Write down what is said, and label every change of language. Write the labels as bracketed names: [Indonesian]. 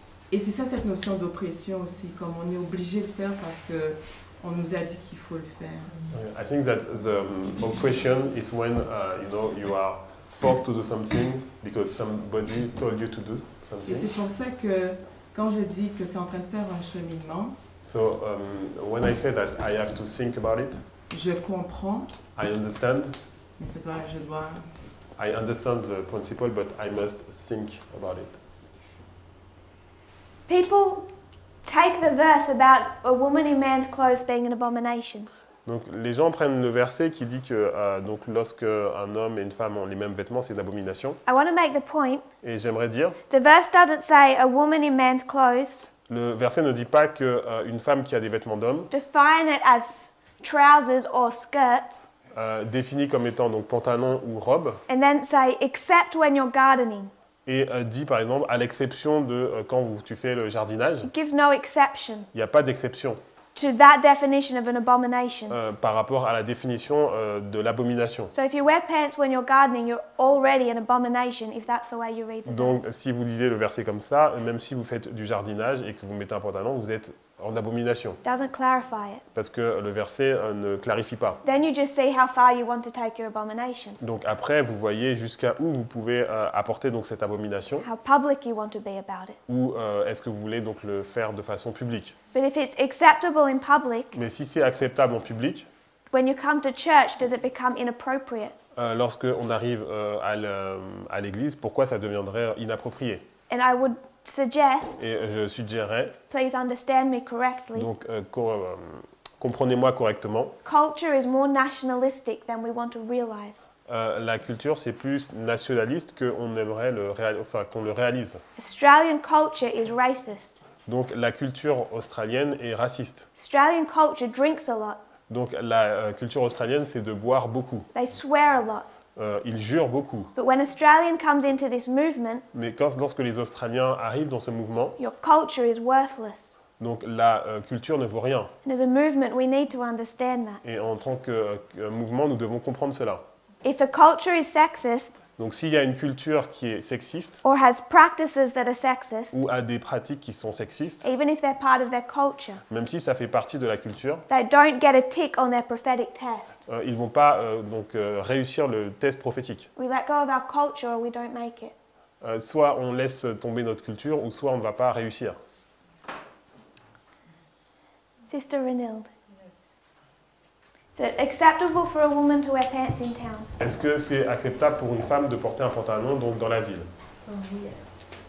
[French] Et c'est ça cette notion d'oppression aussi, comme on est obligé de le faire parce que on nous a dit qu'il faut le faire. [English] I think that the oppression is when you are forced to do something because somebody told you to do something. [French] Et c'est pour ça que quand je dis que c'est en train de faire un cheminement. [English] So when I say that I have to think about it. [French] Je comprends. [English] I understand. [French] Mais c'est toi, je dois. [English] I understand the principle, but I must think about it. People take the verse about a woman in man's clothes being an abomination. [French] Donc les gens prennent le verset qui dit que donc lorsque un homme et une femme ont les mêmes vêtements, c'est une abomination. [English] I want to make the point. [French] Et j'aimerais dire. [English] The verse doesn't say a woman in man's clothes. [French] Le verset ne dit pas que une femme qui a des vêtements d'homme. [English] Define it as. trousers or skirts. [French] Définit comme étant donc pantalon ou robe. [English] And then say except when you're gardening. [French] Et dit par exemple à l'exception de quand tu fais le jardinage. [English] It gives no exception. [French] Il n'y a pas d'exception. [English] To that definition of an abomination. [French] Par rapport à la définition de l'abomination. [English] So if you wear pants when you're gardening, you're already an abomination if that's the way you read the verse. [French] Donc si vous lisez le verset comme ça, même si vous faites du jardinage et que vous mettez un pantalon, vous êtes en abomination. [English] Doesn't clarify it. [French] Parce que le verset ne clarifie pas. [English] Then you just see how far you want to take your abomination. [French] Donc après, vous voyez jusqu'à où vous pouvez apporter donc cette abomination. [English] How public you want to be about it. [French] Ou est-ce que vous voulez donc le faire de façon publique. [English] But if it's acceptable in public. [French] Mais si c'est acceptable en public. [English] When you come to church, does it become inappropriate? [French] Lorsque on arrive à l'église, pourquoi ça deviendrait inapproprié? [English] And I would. Suggest, [French] et je suggérerais. [English] Please understand me correctly. [French] Donc comprenez-moi correctement. [English] Culture is more nationalistic than we want to realize. [French] La culture c'est plus nationaliste que on aimerait qu'on le réalise. [English] Australian culture is racist. [French] Donc la culture australienne est raciste. [English] Australian culture drinks a lot. [French] Donc la culture australienne c'est de boire beaucoup. [English] They swear a lot. [French] Ils jurent beaucoup. [English] But when Australian comes into this movement, [French] mais lorsque les Australiens arrivent dans ce mouvement, [English] your culture is worthless. [French] Donc la culture ne vaut rien. [English] And as a movement, we need to understand that. [French] Et en tant que mouvement, nous devons comprendre cela. [English] If a culture is sexist, [French] donc s'il y a une culture qui est sexiste, [English] or has practices that are sexist, [French] ou a des pratiques qui sont sexistes, [English] even if they're part of their culture, [French] même si ça fait partie de la culture, [English] they don't get a tick on their prophetic test. [French] Ils vont pas réussir le test prophétique. [English] We let go of our culture or we don't make it. [French] Soit on laisse tomber notre culture ou soit on ne va pas réussir. [English] Sister Renilde. So, acceptable for a woman to wear pants in town? [French] Est-ce que c'est acceptable pour une femme de porter un pantalon donc dans la ville? [English] Oh, yes.